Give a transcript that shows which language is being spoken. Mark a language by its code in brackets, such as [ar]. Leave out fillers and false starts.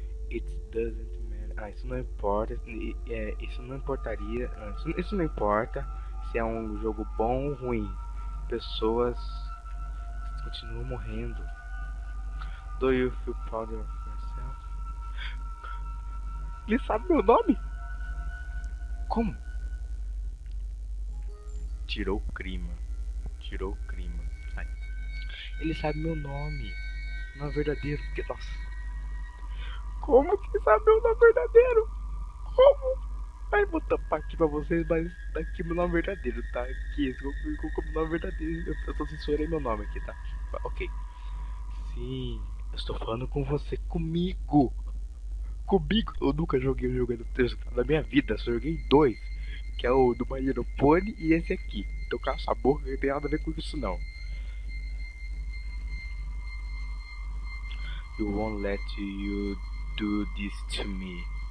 [en] It doesn't matter. [pt] Ah, isso não importa. Isso não importaria. Isso não importa se é um jogo bom ou ruim. Pessoas continuam morrendo. [en] Do you feel proud of yourself? [pt] Ele sabe meu nome? Como? Tirou o crime. Tirou o crime. Ai. Ele sabe meu nome. Não é verdadeiro. Porque, nossa. Como que sabe meu nome verdadeiro? Como? Ai, vou tampar aqui pra vocês, mas tá aqui meu nome verdadeiro, tá? Aqui, ficou como meu nome verdadeiro. Eu tô censurando meu nome aqui, tá? Ok. Sim, eu estou falando com você. Comigo! Comigo! Eu nunca joguei um jogo na minha vida, só joguei dois. Que é o do My Little Pony e esse aqui. Tocar essa boca, não tem nada a ver com isso não. [en] You won't let you do this to me.